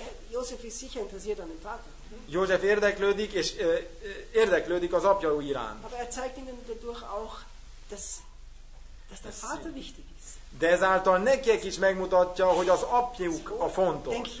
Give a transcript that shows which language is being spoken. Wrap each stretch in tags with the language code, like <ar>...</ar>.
<de>Josef ist sicher interessiert an dem Vater.</de> <hu>József érdeklődik, és érdeklődik az apja iránt.</hu> <de>Aber er zeigt ihnen dadurch auch, dass der Vater wichtig ist.</de> <hu>De ezáltal nekik is megmutatja, hogy az apjuk a fontos.</hu>